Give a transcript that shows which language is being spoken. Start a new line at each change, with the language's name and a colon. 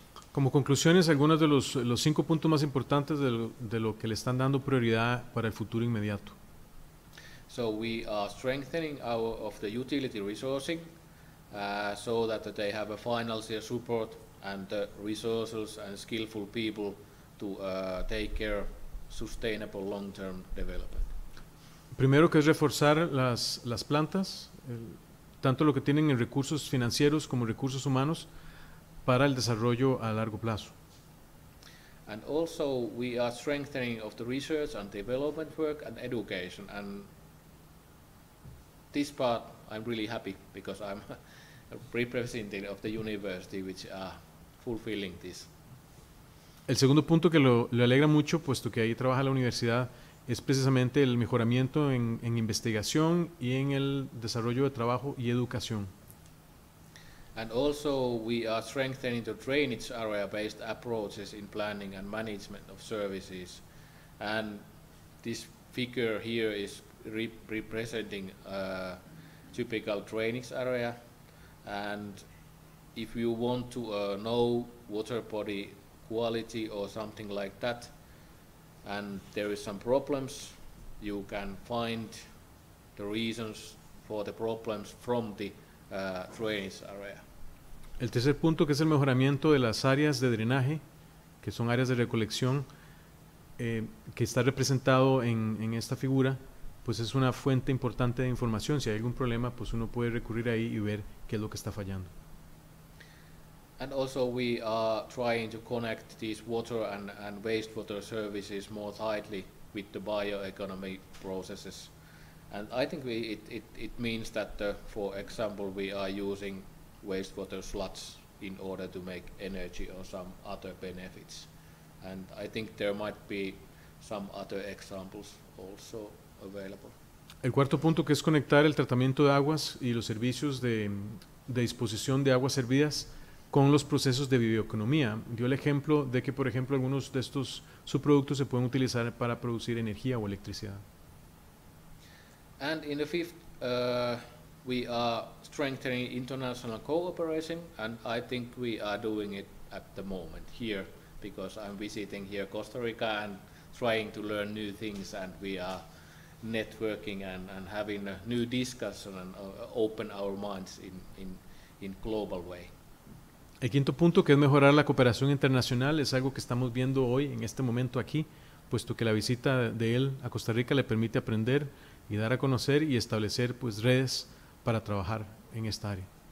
Spanish: Como conclusiones, algunos de los cinco puntos más importantes de lo que le están dando prioridad para el futuro inmediato.
English: So we are strengthening our of the utility resourcing so that they have a financial support and resources and skillful people to take care of sustainable long-term development.
Spanish: Primero, que es reforzar las plantas, tanto lo que tienen en recursos financieros como recursos humanos, para el desarrollo a largo plazo.
English: And also we are strengthening of the research and development work and education, and this part I'm really happy because I'm representing of the university which are fulfilling this.
Spanish: El segundo punto que lo alegra mucho, puesto que ahí trabaja la universidad, es precisamente el mejoramiento en investigación y en el desarrollo de trabajo y educación.
English: And also we are strengthening the drainage area based approaches in planning and management of services, and this figure here is representing a typical drainage area, and if you want to know water body quality or something like that and there is some problems, you can find the reasons for the problems from the drainage area.
Spanish: El tercer punto, que es el mejoramiento de las áreas de drenaje, que son áreas de recolección, que está representado en esta figura, pues es una fuente importante de información. Si hay algún problema, pues uno puede recurrir ahí y ver qué es lo que está fallando.
English: And also we are trying to connect these water and wastewater services more tightly with the bioeconomy processes. And I think it means that, for example, we are using wastewater sludge in order to make energy or some other benefits, and I think there might be some other examples also available.
Spanish: El cuarto punto, que es conectar el tratamiento de aguas y los servicios de disposición de aguas servidas con los procesos de bioeconomía, dio el ejemplo de que, por ejemplo, algunos de estos subproductos se pueden utilizar para producir energía o electricidad.
English: And in the fifth we are strengthening international cooperation, and I think we are doing it at the moment here because I'm visiting here Costa Rica and trying to learn new things, and we are networking and having a new discussion and open our minds in global way.
Spanish: El quinto punto, que es mejorar la cooperación internacional, es algo que estamos viendo hoy en este momento aquí, puesto que la visita de él a Costa Rica le permite aprender y dar a conocer y establecer pues redes para trabajar en esta área.